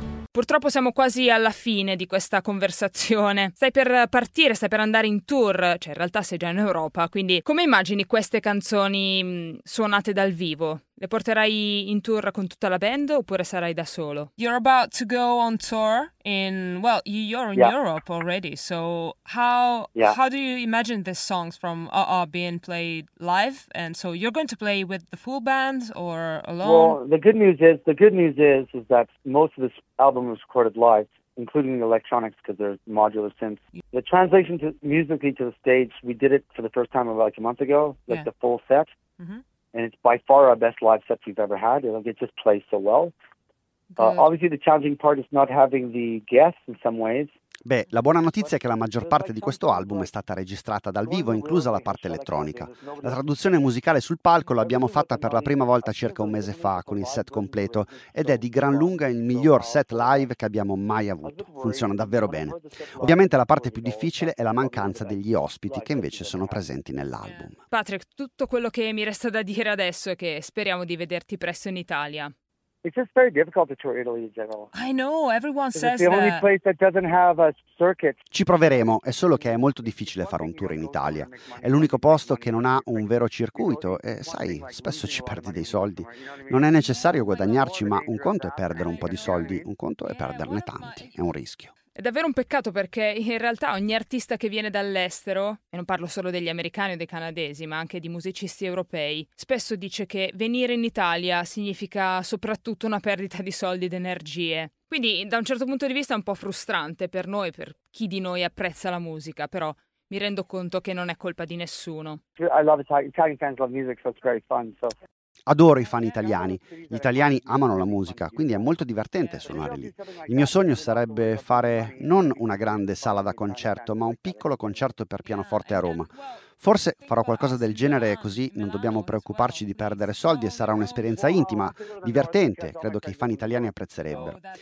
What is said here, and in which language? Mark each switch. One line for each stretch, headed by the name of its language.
Italian: Purtroppo siamo quasi alla fine di questa conversazione. Stai per partire, stai per andare in tour, cioè in realtà sei già in Europa, quindi come immagini queste canzoni suonate dal vivo? Le porterai in tour con tutta la band oppure sarai da solo?
English: You're about to go on tour in, well, you're in Europe already, so how do you imagine these songs from RR being played live? And so you're going to play with the full band or alone? Well, the good news is that most of this album was recorded live, including the electronics, because there's modular synths. The translation to musically to the stage, we did it for the first time about like a month ago, like the full set. Mm-hmm. And it's by far our best live set we've ever had. It just plays so well. Obviously the challenging part is not having the guests in some ways.
Italian: Beh, la buona notizia è che la maggior parte di questo album è stata registrata dal vivo, inclusa la parte elettronica. La traduzione musicale sul palco l'abbiamo fatta per la prima volta circa un mese fa con il set completo ed è di gran lunga il miglior set live che abbiamo mai avuto. Funziona davvero bene. Ovviamente la parte più difficile è la mancanza degli ospiti che invece sono presenti nell'album. Patrick, tutto quello che mi resta da dire adesso è che speriamo di vederti presto in Italia.
English: It's just very difficult to tour Italy in general. I know, everyone says it's the only place that doesn't have a circuit.
Italian: Ci proveremo, è solo che è molto difficile fare un tour in Italia. È l'unico posto che non ha un vero circuito e sai, spesso ci perdi dei soldi. Non è necessario guadagnarci, ma un conto è perdere un po' di soldi, un conto è perderne tanti, è un rischio. È davvero un peccato perché in realtà ogni artista che viene dall'estero, e non parlo solo degli americani o dei canadesi, ma anche di musicisti europei, spesso dice che venire in Italia significa soprattutto una perdita di soldi ed energie. Quindi da un certo punto di vista è un po' frustrante per noi, per chi di noi apprezza la musica, però mi rendo conto che non è colpa di nessuno.
English: I love Italian fans love music, so it's very fun, so...
Italian: Adoro i fan italiani. Gli italiani amano la musica, quindi è molto divertente suonare lì. Il mio sogno sarebbe fare non una grande sala da concerto, ma un piccolo concerto per pianoforte a Roma. Forse farò qualcosa del genere, così non dobbiamo preoccuparci di perdere soldi e sarà un'esperienza intima, divertente, credo che i fan italiani apprezzerebbero.